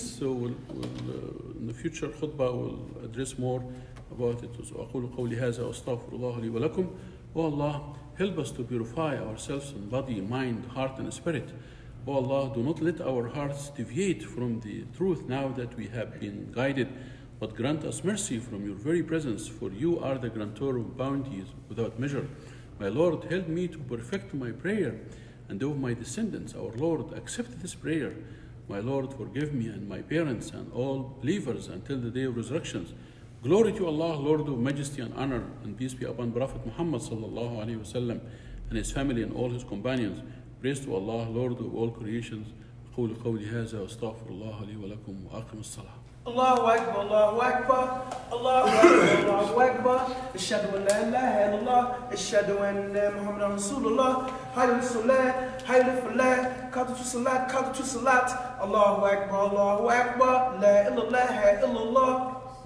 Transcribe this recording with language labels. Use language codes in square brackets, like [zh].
[en] So in the future khutbah, we'll address more about it. [ar] So أقول قولي هذا أستغفر الله لي ولكم. [en] Oh Allah, help us to purify ourselves in body, mind, heart and spirit. Oh Allah, do not let our hearts deviate from the truth now that we have been guided, but grant us mercy from your very presence, for you are the grantor of bounties without measure. My Lord, help me to perfect my prayer and of my descendants. Our Lord, accept this prayer. My Lord, forgive me and my parents and all believers until the day of resurrection. Glory to Allah, Lord of majesty and honor, and peace be upon Prophet Muhammad [ar] sallallahu alayhi wa sallam [en] and his family and all his companions. Praise to Allah, Lord of all creations. [ar] أقول قولي هذا أستغفر الله لي ولكم وأقم الصلاة. الله أكبر الله أكبر الله أكبر أشهد أن لا إله إلا الله أشهد أن محمدا رسول الله حي الصلاة حي الفلاة قد تصلى الله أكبر الله أكبر لا إله إلا الله حي الله.